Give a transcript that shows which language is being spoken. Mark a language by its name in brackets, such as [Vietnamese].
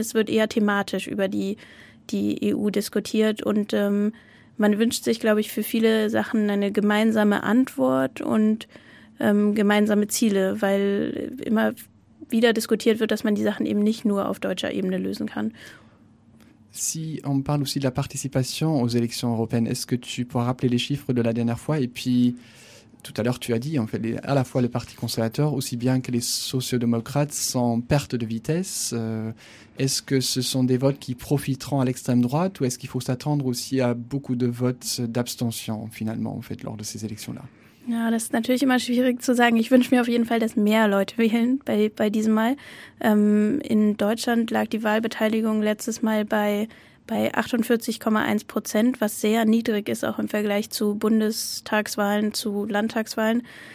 [German] Es wird eher thematisch über die EU diskutiert. Und man wünscht sich, glaube ich, für viele Sachen eine gemeinsame Antwort und gemeinsame Ziele, weil immer wieder diskutiert wird, dass man die Sachen eben nicht nur auf deutscher Ebene lösen kann. [French] Si on parle aussi de la participation aux élections européennes, est-ce que tu pourras rappeler les chiffres de la dernière fois? Et puis, tout à l'heure, tu as dit, en fait, à la fois le Parti conservateur, aussi bien que les sociaux-démocrates, sont en perte de vitesse. Est-ce que ce sont des votes qui profiteront à l'extrême droite ou est-ce qu'il faut s'attendre aussi à beaucoup de votes d'abstention, finalement, en fait, lors de ces élections-là? [German] Ja, das ist natürlich immer schwierig zu sagen. Ich wünsche mir auf jeden Fall, dass mehr Leute wählen bei diesem Mal. In Deutschland lag die Wahlbeteiligung letztes Mal bei 48,1%, was sehr niedrig ist, auch im Vergleich zu Bundestagswahlen, zu Landtagswahlen.